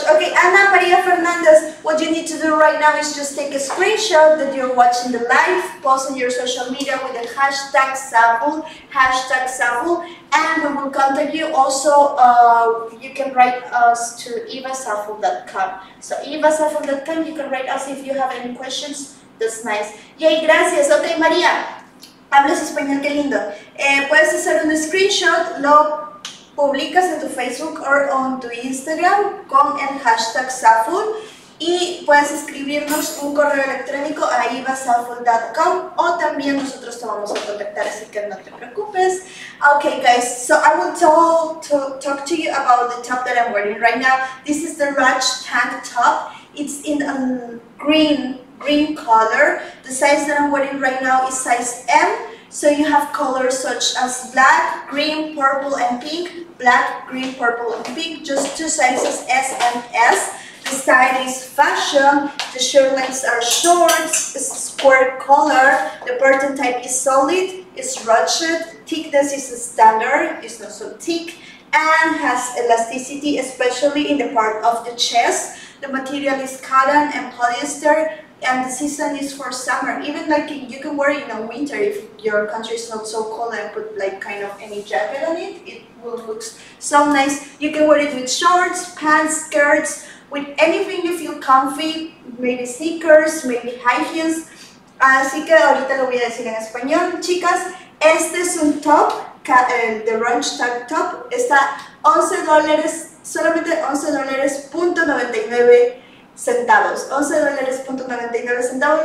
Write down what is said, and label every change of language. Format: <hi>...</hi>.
<en>Okay, Ana Maria Fernandez, what you need to do right now is just take a screenshot that you're watching the live, post on your social media with the hashtag ZAFUL, and we will contact you. Also, you can write us to evasaful.com. So evasaful.com, you can write us if you have any questions. That's nice.</en> <es>Yay, gracias. Okay, Maria, hablas español, qué lindo. Puedes hacer un screenshot, lo publicas en tu Facebook o en tu Instagram con el hashtag ZAFUL y puedes escribirnos un correo electrónico a ivasaful.com o también nosotros te vamos a contactar, así que no te preocupes.</es> <en>Okay guys, so I will talk to you about the top that I'm wearing right now. This is the Raj tank top. It's in a green color. The size that I'm wearing right now is size M. So you have colors such as black, green, purple, and pink. Black, green, purple, and pink. Just two sizes, S and S. The style is fashion. The shirt lengths are shorts. It's a square collar. The button type is solid. It's ruched. Thickness is a standard. It's not so thick. And has elasticity, especially in the part of the chest. The material is cotton and polyester. And the season is for summer. Even like you can wear it in the winter if your country is not so cold and put like kind of any jacket on it. It will look so nice. You can wear it with shorts, pants, skirts, with anything you feel comfy. Maybe sneakers, maybe high heels.</en> <es>Así que ahorita lo voy a decir en español, chicas. Este es un top,</es> <en>the ranch tank top.</en> <es>Está $11, solamente $11.99. centavos, $11.99.</es>